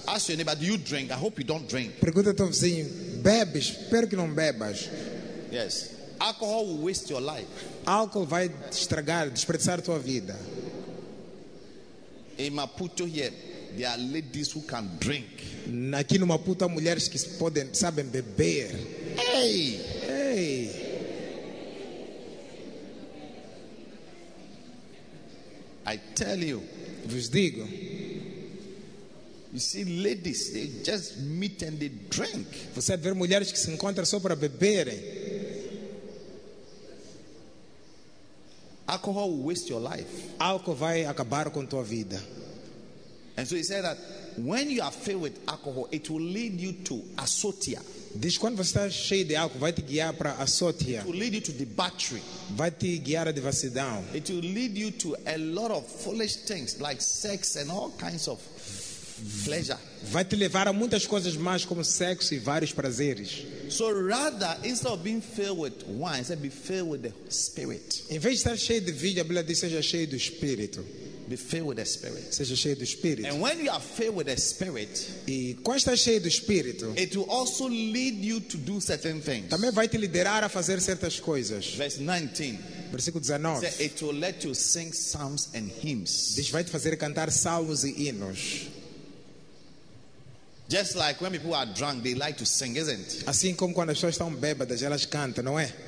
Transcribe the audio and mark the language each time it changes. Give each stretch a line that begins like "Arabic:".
English: Ask your neighbor, do you drink? I hope you don't drink.
Portuguese: Pergunta ao teu vizinho, bebes? Espero que não bebas.
English: Yes. Alcohol will waste your life.
Portuguese: Álcool vai estragar, desperdiçar tua vida.
English: In Maputo here, there are ladies who can drink.
Portuguese: Aqui no Maputo há mulheres que podem, sabem beber. Hey, hey.
English: I tell you.
Portuguese: Vos digo.
English: You see ladies, they just meet and they drink.
Portuguese: Você vê mulheres que se encontram só para beberem.
English: Alcohol will waste your life.
Portuguese: Álcool vai acabar com tua vida.
English: And so he said that when you are filled with alcohol, it will lead you to asotia.
Portuguese: Diz quando você está cheio de álcool, vai te guiar para asotia.
English: It will lead you to debauchery.
Portuguese: Vai te guiar a devassidão.
English: It will lead you to a lot of foolish things like sex and all kinds of pleasure.
Portuguese: Vai te levar a muitas coisas mais, como sexo e vários prazeres.
English: So rather, instead of being filled with wine, say be filled with the Spirit.
Portuguese: Em vez de estar cheio de vinho, a Bíblia diz seja cheio do Espírito.
English: Be filled with the Spirit.
Portuguese: Seja cheio do Espírito.
English: And when you are filled with the Spirit,
Portuguese: e quando está cheio do Espírito,
English: it will also lead you to do certain things.
Portuguese: Também vai te liderar a fazer certas coisas.
English: Verse 19.
Portuguese: Versículo 19.
English: Says, it will let you sing psalms and hymns.
Portuguese: Diz, vai te fazer cantar salmos e hinos.
English: Just like when people are drunk, they like to sing, isn't it?
Portuguese: Assim como quando as pessoas estão bêbadas, elas cantam, não é?